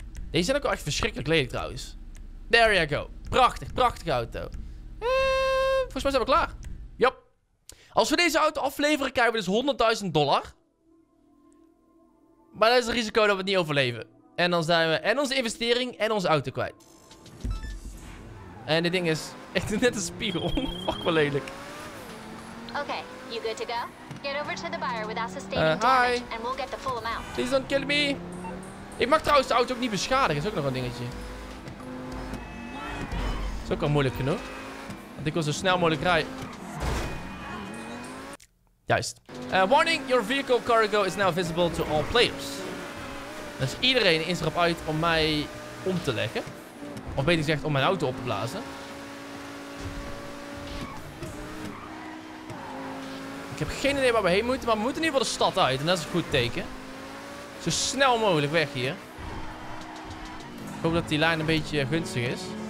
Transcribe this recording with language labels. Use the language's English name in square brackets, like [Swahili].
[Dutch] Deze zijn ook wel echt verschrikkelijk lelijk trouwens. [English] There you go. [Dutch] Prachtig. Prachtige auto. Volgens mij zijn we klaar. Yep. Als we deze auto afleveren, krijgen we dus $100.000. Maar dat is het risico dat we het niet overleven. En dan zijn we en onze investering en onze auto kwijt. En dit ding is echt net een spiegel. Fuck, wel lelijk. [English] Okay, you good to go? Get over to the buyer without sustaining damage and we'll get the full amount. Please don't kill me. [Dutch] Ik mag trouwens de auto ook niet beschadigen. Is ook nog een dingetje. Is ook al moeilijk genoeg. Want ik wil zo snel mogelijk rijden. Juist. [English] Warning, your vehicle cargo is now visible to all players. [Dutch] Dus iedereen is erop uit om mij om te leggen. Of beter gezegd, om mijn auto op te blazen. Ik heb geen idee waar we heen moeten, maar we moeten in ieder geval de stad uit. En dat is een goed teken. Zo snel mogelijk weg hier. Ik hoop dat die lijn een beetje gunstig is.